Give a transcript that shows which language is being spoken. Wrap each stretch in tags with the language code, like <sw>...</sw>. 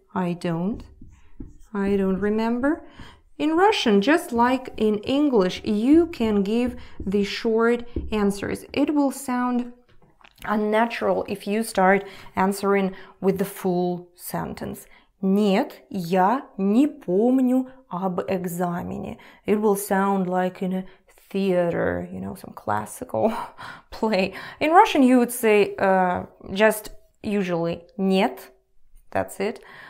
<en>I don't remember. In Russian, just like in English, you can give the short answers. It will sound unnatural if you start answering with the full sentence.</en> <ru>Нет, я не помню об экзамене.</ru> <en>It will sound like in a theater, you know, some classical play. In Russian, you would say just usually нет, that's it.</en>